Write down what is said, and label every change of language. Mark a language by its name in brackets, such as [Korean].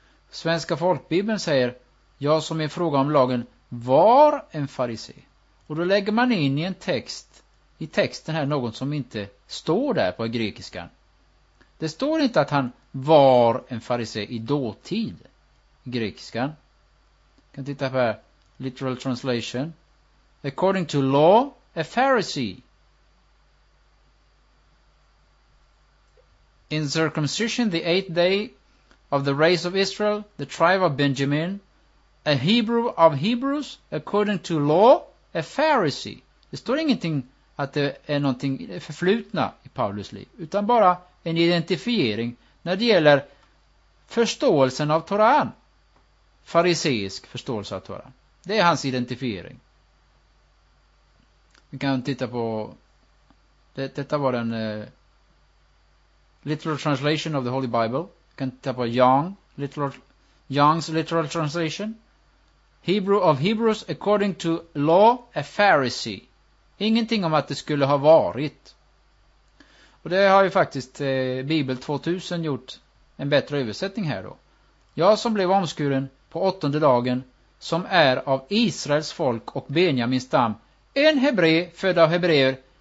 [Swedish] Svenska folkbibeln säger, jag som i fråga om lagen var en farisé. Och då lägger man in i en text, i texten här, någon som inte står där på grekiskan. Det står inte att han var en farisé i dåtid, i grekiskan. Jag kan titta på här, literal translation. [English] According to law, a Pharisee. In circumcision, the 8th day of the race of Israel, the tribe of Benjamin, a Hebrew of Hebrews, according to law, a Pharisee. [Swedish] Det står ingenting att det är någonting förflutna i Paulus liv, utan bara en identifiering när det gäller förståelsen av Toran. Fariseisk förståelse av Toran. Det är hans identifiering. Vi kan titta på... Detta var en... [English] literal translation of the Holy Bible. [Swedish] Vi kan titta på [English] Young's literal translation. Hebrew of Hebrews according to law, a Pharisee. [Swedish] Ingenting om att det skulle ha varit... Och det har ju faktiskt Bibel 2000 gjort en bättre översättning här då. Jag som blev omskuren på 8:e dagen, som är av Israels folk och Benjamins stam, en hebré född av hebreer,